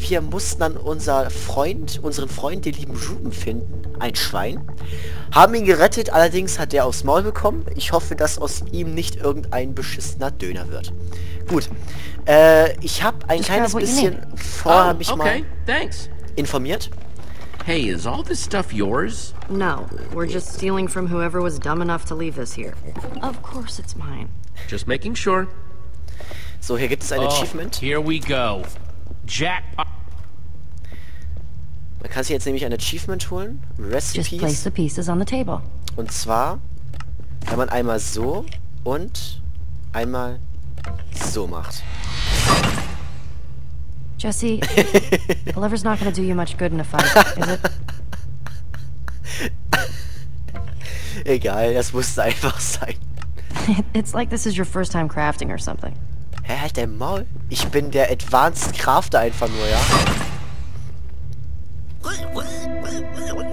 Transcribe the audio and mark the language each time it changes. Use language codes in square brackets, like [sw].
[de] Wir mussten dann unseren Freund, den lieben Ruben, finden, ein Schwein. Haben ihn gerettet, allerdings hat er aufs Maul bekommen. Ich hoffe, dass aus ihm nicht irgendein beschissener Döner wird. Gut, ich habe ein kleines bisschen vorher mich mal informiert. [en] Hey, is all this stuff yours? No, we're just stealing from whoever was dumb enough to leave this here. Of course it's mine. Just making sure. [de] So, hier gibt es ein Achievement. [en] Here we go. Jackpot. [de] Man kann sich jetzt nämlich ein Achievement holen. [en] Recipes. Just place the pieces on the table. [de] Und zwar wenn man einmal so und einmal so macht. [en] Jesse, the lever's not gonna do you much good in a fight, is it? [de] Egal, das muss einfach sein. [en] It's like this is your first time crafting or something. [de] Hä, halt dein Maul? Ich bin der Advanced Crafter einfach nur, ja?